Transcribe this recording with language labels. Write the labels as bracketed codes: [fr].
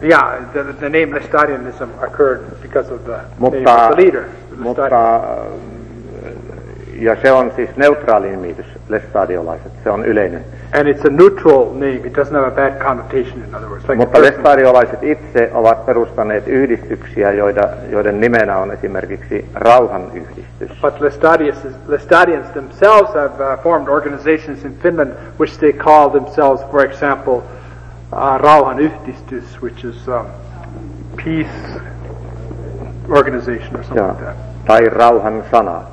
[en] Yeah, the name Lestadianism occurred because of the mutta, name of the leader. [fi] Mutta ja se on siis neutraali nimitys, lestadiolaiset, se on yleinen. [en] And it's a neutral name, it doesn't have a bad connotation in other words. Like [fi] mutta lestadiolaiset itse ovat perustaneet yhdistyksiä, joiden nimenä on esimerkiksi rauhan yhdistys. [en] But Lestadians themselves have formed organizations in Finland, which they call themselves, for example, rauhan yhdistys, which is a peace organization or something like that. [fi] Tai rauhan sana.